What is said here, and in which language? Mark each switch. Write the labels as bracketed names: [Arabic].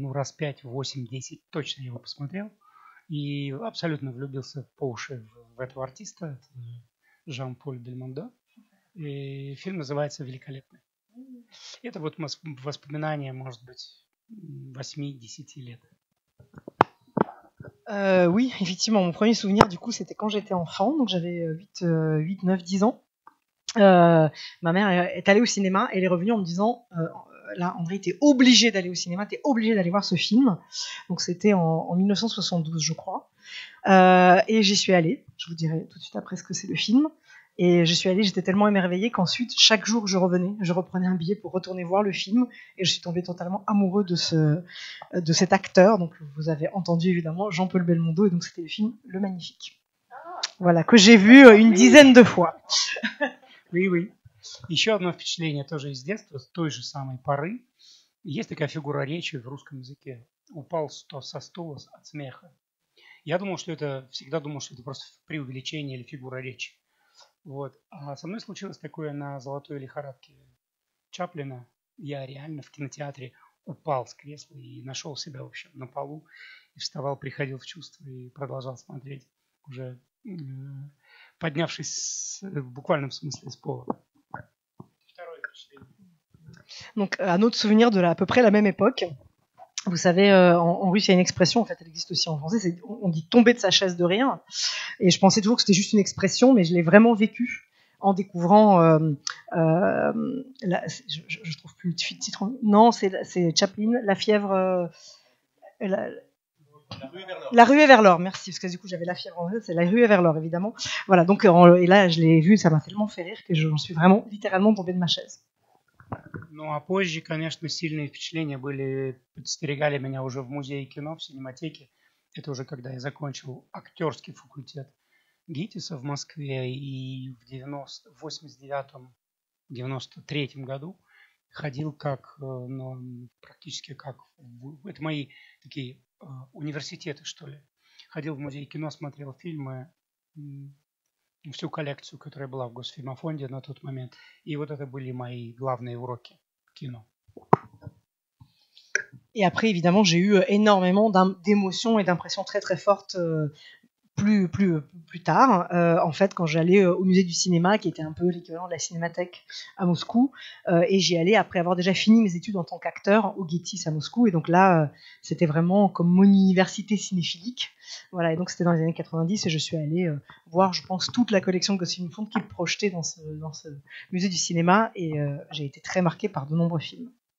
[Russian] Ну, раз 5, 8, 10 точно его посмотрел. И абсолютно влюбился по уши в этого артиста, это Жан-Поль Бельмондо. И фильм называется «Великолепный». Это вот воспоминания, может быть, 8-10 лет. [French] Oui, effectivement, mon premier souvenir, du coup, c'était quand j'étais enfant, donc j'avais 8, 9, 10 ans. Ma mère est allée au cinéma et elle est revenue en me disant, là, André, t'es obligé d'aller au cinéma, t'es obligé d'aller voir ce film. Donc c'était en 1972, je crois. Et j'y suis allée, je vous dirai tout de suite après ce que c'est le film. Et je suis allée, j'étais tellement émerveillée qu'ensuite, chaque jour, je revenais, je reprenais un billet pour retourner voir le film, et je suis tombée totalement amoureuse de cet acteur. Donc, vous avez entendu, évidemment, Jean-Paul Belmondo, et donc c'était le film Le Magnifique. Voilà, que j'ai vu une dizaine de fois. Oui, oui. [Russian] Еще одно впечатление, тоже из детства, с той же самой поры. Есть такая фигура речи в русском языке. Упал со стула от смеха. Я думал, что это, всегда думал, что это просто преувеличение или фигура речи. Вот. А со мной случилось такое на «Золотой лихорадке» Чаплина, я реально в кинотеатре упал с кресла и нашел себя в общем на полу и вставал, приходил в чувство и продолжал смотреть, уже поднявшись в буквальном смысле с пола. Второе впечатление. [French] Donc, un autre souvenir de à peu près la même époque. Vous savez, en russe, il y a une expression, en fait, elle existe aussi en français, c'est, on dit tomber de sa chaise de rien. Et je pensais toujours que c'était juste une expression, mais je l'ai vraiment vécu en découvrant. Je ne trouve plus le titre. Non, c'est Chaplin, La fièvre. La ruée vers l'or, merci, parce que du coup j'avais la fièvre en fait, c'est La ruée vers l'or, évidemment. Voilà, donc, et là, je l'ai vu, ça m'a tellement fait rire que j'en suis vraiment littéralement tombée de ma chaise. [Russian] Ну а позже, конечно, сильные впечатления были, подстерегали меня уже в музее кино, в синематеке. Это уже когда я закончил актерский факультет ГИТИСа в Москве. И в 89-93 году ходил как, ну, практически как... Это мои такие университеты, что ли. Ходил в музей кино, смотрел фильмы, всю коллекцию, которая была в Госфильмофонде на тот момент. И вот это были мои главные уроки кино. [French] И après, évidemment, j'ai eu énormément d'émotions et d'impressions très très fortes plus tard, en fait, quand j'allais au musée du cinéma, qui était un peu l'équivalent de la cinémathèque à Moscou, et j'y allais après avoir déjà fini mes études en tant qu'acteur au GITIS à Moscou, et donc là, c'était vraiment comme mon université cinéphilique, voilà, et donc c'était dans les années 90, et je suis allée voir, je pense, toute la collection de Gosfilmfond qui est projetée dans ce musée du cinéma, et j'ai été très marquée par de nombreux films.